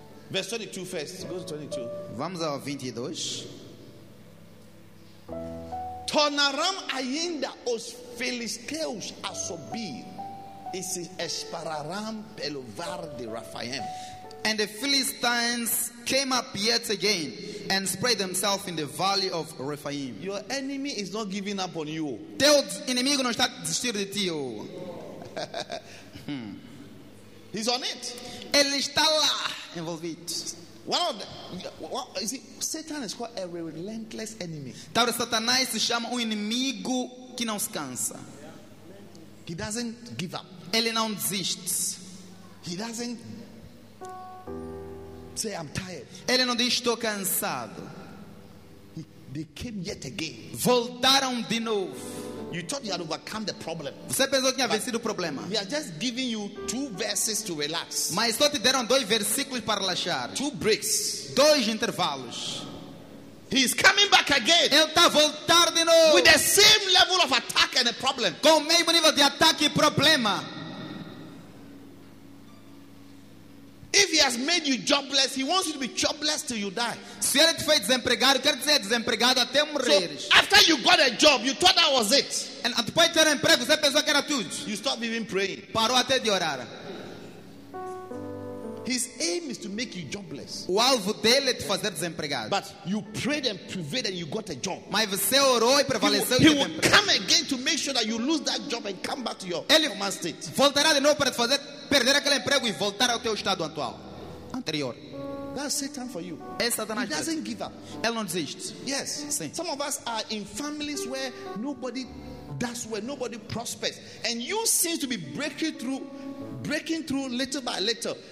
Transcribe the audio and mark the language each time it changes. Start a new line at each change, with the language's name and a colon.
English: Verse 22 first. Go to 22.
Portuguese: Vamos ao 22. Tornarão ainda os filisteus a subir e se espararão pelo vale de Rafaim.
English: And the Philistines came up yet again and spread themselves in the valley of Rephaim. Your enemy is not giving up on you.
Portuguese: Teu inimigo não está desistindo de ti.
English: He's on it.
Portuguese: Ele está lá envolvido.
English: One of the, see, Satan is called a relentless enemy.
Portuguese: Tal Satanás se chama inimigo que não se cansa.
English: He doesn't give up.
Portuguese: Ele não desiste.
English: He doesn't say I'm tired.
Portuguese: Ele não diz estou cansado.
English: They came yet again.
Portuguese: Voltaram de novo.
English: You thought you had overcome the problem.
Portuguese: Você pensou que tinha vencido o problema.
English: He has just given you two verses to relax.
Portuguese: Mas só te deram dois versículos para relaxar.
English: Two breaks.
Portuguese: Dois intervalos.
English: He's coming back again.
Portuguese: Ele está voltar de novo.
English: With the same level of attack and a problem.
Portuguese: Com o mesmo nível de ataque e problema.
English: If he has made you jobless, he wants you to be jobless till you die.
Portuguese: Se ele te fez desempregado, quer dizer desempregado até morrer.
English: So after you got a job, you thought that was it.
Portuguese: And depois de ter emprego, você pensou que era tudo.
English: You stopped even praying.
Portuguese: Parou até de orar.
English: His aim is to make you jobless.
Portuguese: O alvo dele é te fazer desempregado.
English: But you prayed and prevailed and you got a job.
Portuguese: Mas você orou e prevaleceu.
English: He will come again to make sure that you lose that job and come back to your former state.
Portuguese: Ele voltará de novo para te fazer perder aquele emprego e voltar ao teu estado atual, anterior.
English: That's Satan for you.
Portuguese: É Satanás.
English: He doesn't give up.
Portuguese: Ele não desiste.
English: Yes.
Portuguese: Sim.
English: Some of us are in families where nobody does well, nobody prospers, and you seem to be breaking through little by little.